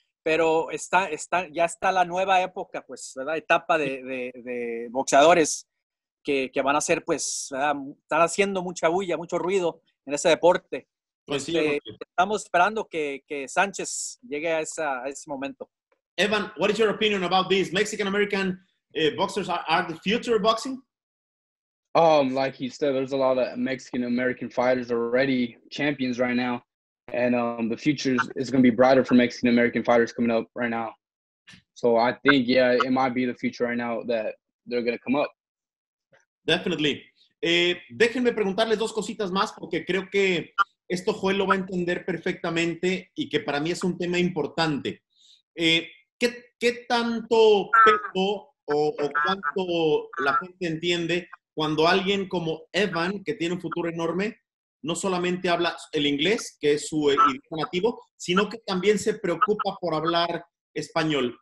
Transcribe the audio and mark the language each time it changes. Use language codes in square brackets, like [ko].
[es] Pero ya está la nueva época, pues, ¿verdad? Etapa de boxeadores que van a ser, pues, ¿verdad? Están haciendo mucha bulla, mucho ruido en ese deporte. Pues sí, estamos esperando que Sánchez llegue a ese momento. [en] Evan, what is your opinion about this? Mexican-American boxers are the future of boxing? Like you said, there's a lot of Mexican-American fighters already champions right now. And the future is going to be brighter for Mexican-American fighters coming up right now. So I think, yeah, it might be the future right now that they're going to come up. Definitely. [es] Déjenme preguntarles dos cositas más, porque creo que esto Joel lo va a entender perfectamente y que para mí es un tema importante. ¿Qué tanto peso o cuánto la gente entiende cuando alguien como Evan, que tiene un futuro enorme, no solamente habla el inglés, que es su idioma nativo, sino que también se preocupa por hablar español?